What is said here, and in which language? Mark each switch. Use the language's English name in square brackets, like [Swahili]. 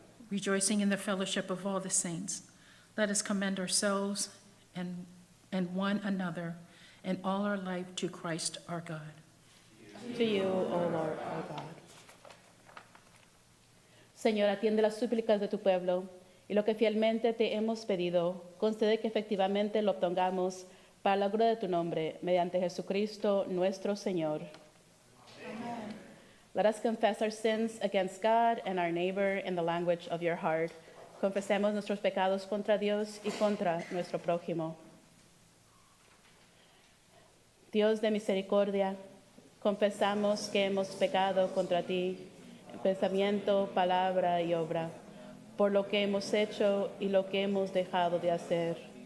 [English] Rejoicing in the fellowship of all the saints, let us commend ourselves and one another and all our life to Christ our God. To you, O Lord, our God. [Spanish] Señor, atiende las súplicas de tu pueblo y lo que fielmente te hemos pedido, concede que efectivamente lo obtengamos para la gloria de tu nombre, mediante Jesucristo nuestro Señor. [English] Amen. Let us confess our sins against God and our neighbor in the language of your heart. [Spanish] Confesemos nuestros pecados contra Dios y contra nuestro prójimo. Dios de misericordia, confesamos que hemos pecado contra ti, en pensamiento, palabra y obra, por lo que hemos hecho y lo que hemos dejado de hacer.